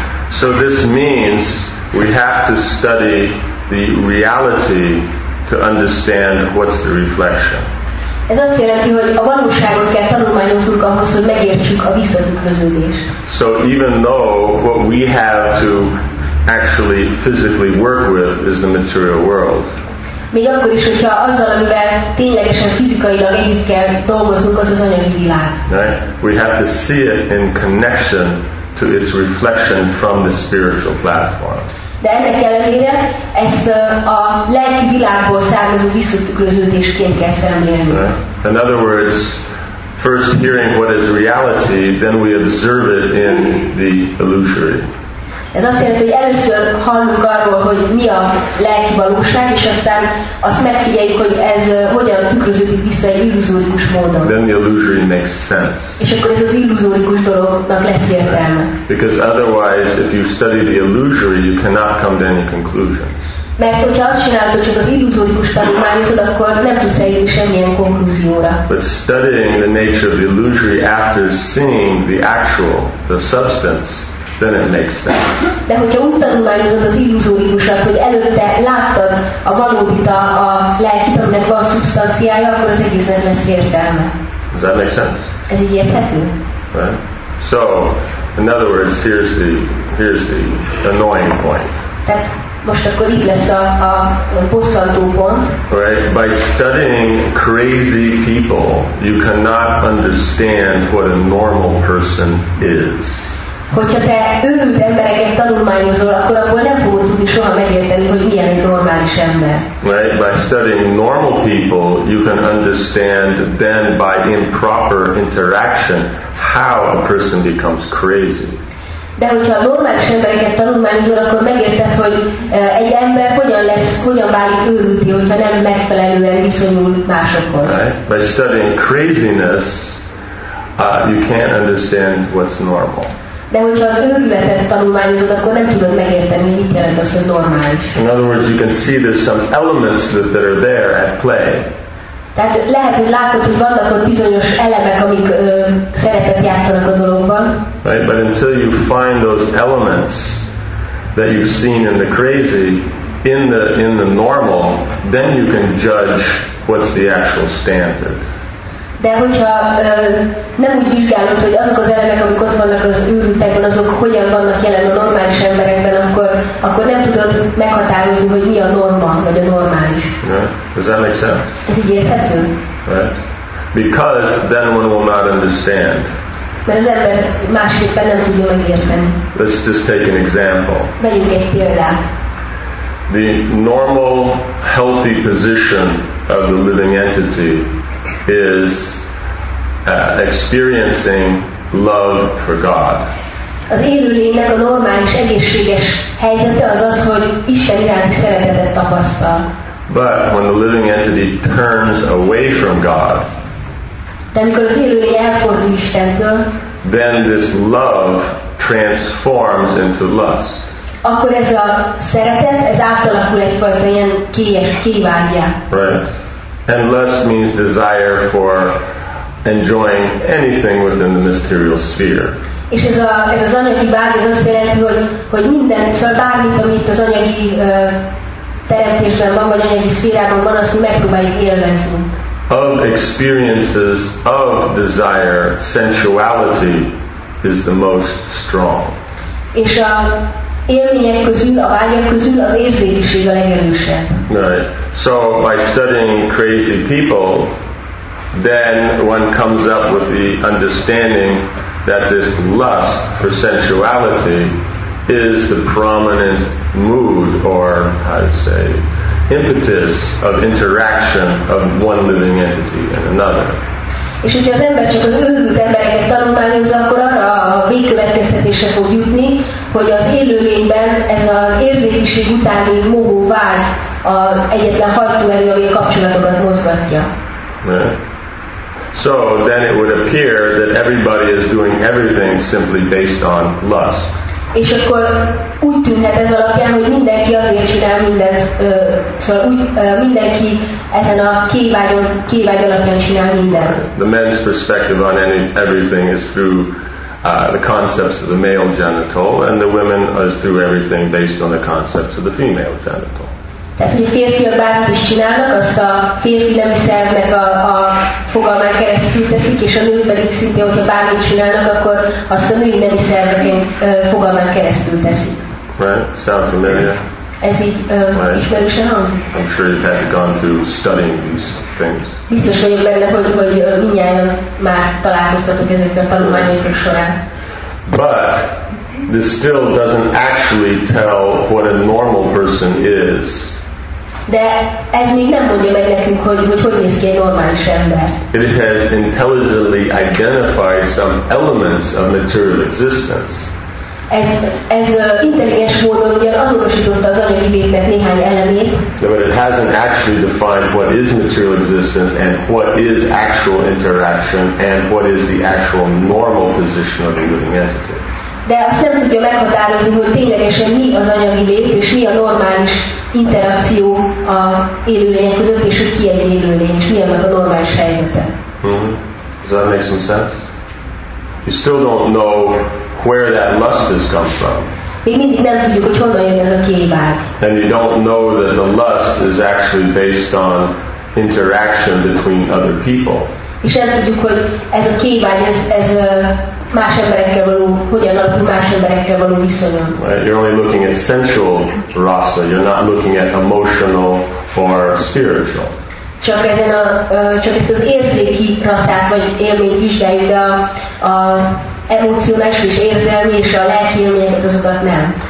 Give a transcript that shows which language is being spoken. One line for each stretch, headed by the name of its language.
English: So this means we have to study the reality to understand what's the reflection.
Hungarian: Ez azt jelenti, hogy a valóságot kell tanulmányoznunk ahhoz, hogy megértsük a visszatükröződést.
English: So even though what we have to actually physically work with is the material world.
Hungarian: Még akkor is, hogyha azzal, amivel ténylegesen fizikailag együtt kell dolgoznunk, az az anyagi világ.
English: Right? We have to see it in connection to its reflection from the spiritual platform.
Hungarian: De ennek ellenére ezt a lelki világból származó visszatükröződésként kell szemlélni.
English: In other words, first hearing what is reality, then we observe it in the illusory.
Hungarian: Ez azt jelenti, hogy először hallunk arról, hogy mi a lelki valóság, és aztán azt megfigyeljük, hogy ez hogyan tükröződik vissza egy illuzórikus módon.
English: Then the illusory makes sense.
Hungarian: És akkor ez az illuzórikus dolognak lesz értelme.
English: Because otherwise, if you study the illusory, you cannot come to any conclusions.
Hungarian: Mert hogyha azt csinálod, hogy csak az illuzórikus tanulmányozod, akkor nem tudsz eljutni semmilyen konklúzióra.
English: But studying the nature of the illusory after seeing the actual, the substance, then it makes sense.
Hungarian: De hogyha úgy tanulmányozod az illuzórikusat, hogy előtte láttad a valódit, a lelkit, aminek van szubstanciája, akkor az egésznek lesz értelme.
English: Does that make sense?
Hungarian: Ez így érthető?
English: Right. So, in other words, here's the annoying point.
Hungarian: Tehát most akkor itt lesz a bosszantó pont.
English: Right. By studying crazy people, you cannot understand what a normal person is.
Hungarian: Hogyha te őrült embereket tanulmányozol, akkor abból nem fogod tudni soha megérteni, hogy milyen egy normális ember.
English: Right? By studying normal people, you can understand then by improper interaction how a person becomes crazy.
Hungarian: De hogyha normális embereket tanulmányozol, akkor megérted, hogy egy ember hogyan válik őrülti, hogyha nem megfelelően viszonyul másokhoz.
English: Right? By studying craziness, you can't understand what's normal.
Hungarian: De hogyha az őrületet tanulmányozod, akkor nem tudod megérteni, mit jelent az, hogy normális.
English: In other words, you can see there's some elements that are there at play.
Hungarian: Tehát lehet, hogy látod, hogy vannak ott bizonyos elemek, amik szeretet játszanak a dologban.
English: Right, but until you find those elements that you've seen in the crazy, in the normal, then you can judge what's the actual standard.
Hungarian: De hogyha nem úgy vizsgálod, hogy azok az elemek, amik ott vannak az őrültekben, azok hogyan vannak jelen a normális emberekben, akkor nem tudod meghatározni, hogy mi a norma, vagy a normális.
English: Yeah. Does that make sense?
Hungarian: Ez így érthető?
English: Right. Because then one will not understand.
Hungarian: Mert az ember másképpen nem tudja megérteni.
English: Let's just take an example.
Hungarian: Vegyünk egy példát.
English: The normal, healthy position of the living entity is experiencing love for God.
Hungarian: Az élőlénynek a normális, egészséges helyzete az az, hogy Isten iránti szeretetet tapasztal.
English: But when the living entity turns away from God,
Hungarian: de amikor az élőlény elfordul Istentől,
English: then this love transforms into lust.
Hungarian: Akkor ez a szeretet, ez átalakul egyfajta ilyen kélyes, kívánja.
English: Right. And lust means desire for enjoying anything within the material sphere.
Hungarian: És ez az anyagi vágy, ez azt jelenti, hogy minden, szóval bármit, amit az anyagi teremtésben van, vagy anyagi szférában van, azt megpróbáljuk élvezni.
English: Of experiences of desire, sensuality is the most strong.
Hungarian: És a élmények közül, a vágyak közül az érzékiség a legerősebb.
English: Right. So by studying crazy people, then one comes up with the understanding that this lust for sensuality is the prominent mood or, how to say, impetus of interaction of one living entity and another.
Hungarian: És hogyha az ember csak az őrült embereket tanulmányozza, akkor arra a végkövetkeztetése fog jutni, hogy az élőlényben ez az érzékiség utáni mohó vágy az egyetlen hajtóerő, ami a kapcsolatokat mozgatja.
English: So then it would appear that everybody is doing everything simply based on lust.
Hungarian: És akkor úgy tűnhet ez alapján, hogy mindenki azért csinál mindent, szóval úgy, mindenki ezen a kévágy alapján csinál mindent.
English: The men's perspective on everything is through the concepts of the male genital, and the women is through everything based on the concepts of the female genital.
Hungarian: Tehát, hogy a férfiak bármit is csinálnak, azt a férfi nemi szervnek a fogalmán keresztül teszik, és a nők pedig szinte, hogyha bármit csinálnak, akkor azt a női nemi szervek fogalmán keresztül teszik.
English: Right? Sound familiar?
Hungarian: Ez így
English: right.
Hungarian: Ismerősen hangzik?
English: I'm sure you've had to gone through studying these things.
Hungarian: Biztos vagyok benne, hogy mindjárt már találkoztatok ezekkel a tanulmányokkal során.
English: But this still doesn't actually tell what a normal person is.
Hungarian: De ez még nem mondja meg nekünk, hogy néz ki egy normális ember.
English: It has intelligently identified some elements of material existence.
Hungarian: Ez intelligens módon azonosította az anyagi létnek néhány elemét.
English: But it hasn't actually defined what is material existence and what is actual interaction and what is the actual normal position of the living entity.
Hungarian: De azt nem tudja meghatározni, hogy ténylegesen mi az anyagi lét, és mi a normális interakció a élőlények között, és hogy ki egy élőlény, és mi annak a normális helyzete. Mm-hmm.
English: Does that make some sense? You still don't know where that lust has come from.
Hungarian: Még mindig nem tudjuk, hogy honnan jön ez a kévág.
English: And you don't know that the lust is actually based on interaction between other people.
Hungarian: És nem tudjuk, hogy ez a kévány, ez más emberekkel való, hogyan alakul más emberekkel való viszonyon.
English: Right, you're only looking at sensual rasa, you're not looking at emotional or spiritual.
Hungarian: Csak ezt az érzéki rasszát vagy élményt vizsgáljuk, de a emocionális és érzelmi és a lelki élményeket azokat nem.